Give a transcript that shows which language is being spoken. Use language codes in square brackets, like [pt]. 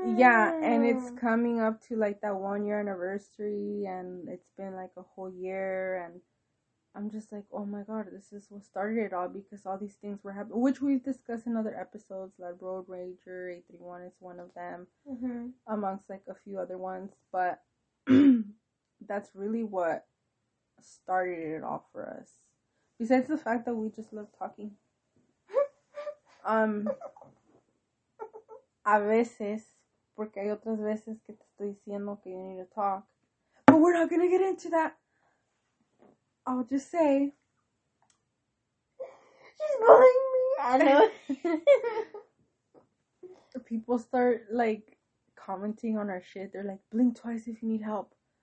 [en] Yeah, and it's coming up to, like, that 1 year anniversary, and it's been, like, a whole year, and I'm just like, oh my god, this is what started it all, because all these things were happening, which we've discussed in other episodes, like Road Rager, 831 is one of them, mm-hmm. amongst, like, a few other ones, but that's really what started it all for us. Besides the fact that we just love talking. [es] A veces, porque hay otras veces que te estoy diciendo que [en] you need to talk. But we're not gonna get into that. I'll just say. She's bullying me. I know. People start, like, commenting on our shit. They're like, blink twice if you need help.